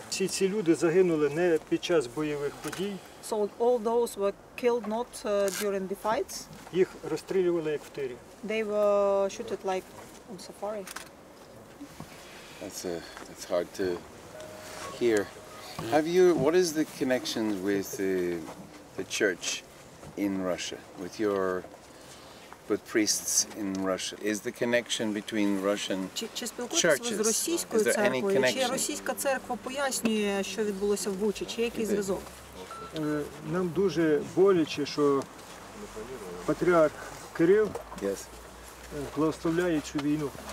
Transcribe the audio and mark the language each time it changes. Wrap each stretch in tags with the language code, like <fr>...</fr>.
<uk>Всі ці люди загинули не під час бойових подій.</uk> <en>So all those were killed not during the fights.</en> <uk>Їх розстрілювали як в тирі.</uk> <en>They were shot like on safari. That's hard to hear. What is the connection with the church in Russia, with priests in Russia? Is the connection between Russian churches?</en> <uk>Російською церквою? Чи російська церква пояснює, що відбулося в Бучі? Чи який зв'язок? Нам дуже боляче, що патріарх Кирил благословляє цю війну.</uk>